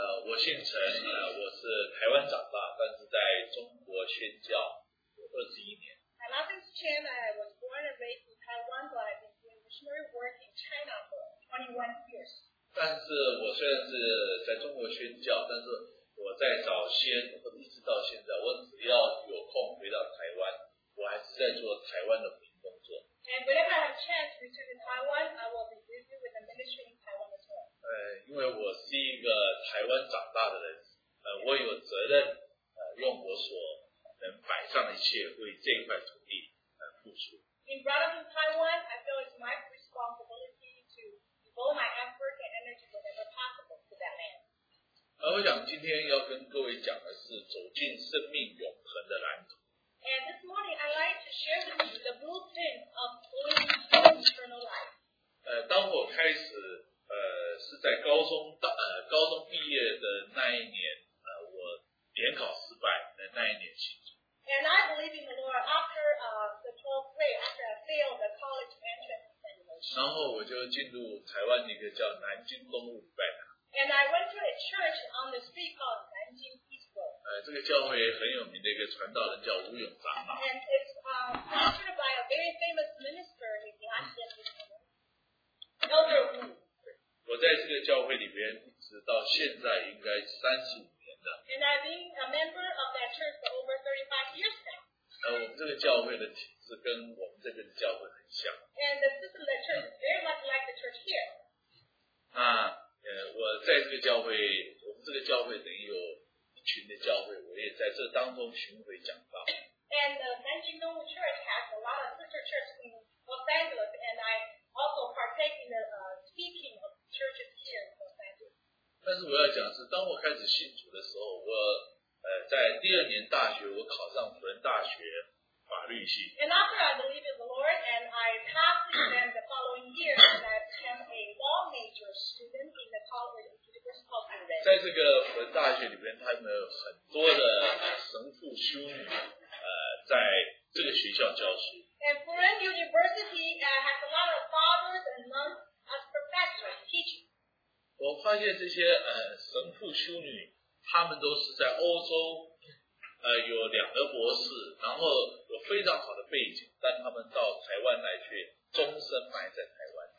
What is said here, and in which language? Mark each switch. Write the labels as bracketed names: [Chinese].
[Chinese] 我姓陈，我是台湾长大，但是在中国宣教21年。 [English] My name is Chen. I was born and raised in Taiwan, but I've been doing missionary work in China for 21 years. [Chinese] 但是我虽然是在中国宣教，但是我在早先或者一直到现在，我只要有空回到台湾，我还是在做台湾的福音工作。 [English] And whenever I have chance to return to Taiwan, I will be busy with the ministry in Taiwan as well. [Chinese] 因为我是一个台湾长大的人，我有责任，用我所能摆上的一切为这一块土地，付出。 [English] In brought up in Taiwan, I feel it's my responsibility to devote my effort and energy whenever possible to that land. [Chinese] 我想今天要跟各位讲的是走进生命永恒的蓝图。 [English] And this morning, I'd like to share with you the blueprint of living eternal life. [Chinese] 当我开始，是在高中，高中毕业的那一年，我联考失败的那一年期间。 [English] And I believe in the Lord after the 12th grade, after I failed the college entrance examination. [Chinese] 然后我就进入台湾一个叫南京东路拜堂。 [English] And I went to a church on the street called 南京。 [Chinese] 这个教会很有名的一个传道人叫吴永长老。 [English] And it's pastored by a very famous minister in the Elder Wu. [Chinese] 我在这个教会里边，直到现在应该35年的。 [English] And I've been a member of that church for over 35 years now. [Chinese] 我们这个教会的体制跟我们这个教会很像。 [English] And the system of the church is very much like the church here. [Chinese] 我在这个教会，我们这个教会等于有。群的教会，我也在这当中巡回讲道。 [English] And the Nanjing Dongwu Church has a lot of sister churches in Los Angeles, and I also partake in the speaking of churches here in Los Angeles. [Chinese] 但是我要讲的是，当我开始信主的时候，我在第二年大学，我考上辅仁大学法律系。 [English] And after I believed in the Lord, and I passed it, and the following year, I became a law major student in the college. [Chinese] 在这个辅仁大学里边，他们有很多的神父修女，在这个学校教书。 [English] And Furen University has a lot of fathers and nuns as professors teaching. [Chinese] 我发现这些神父修女，他们都是在欧洲，有两个博士，然后有非常好的背景，但他们到台湾来却终身埋在台湾。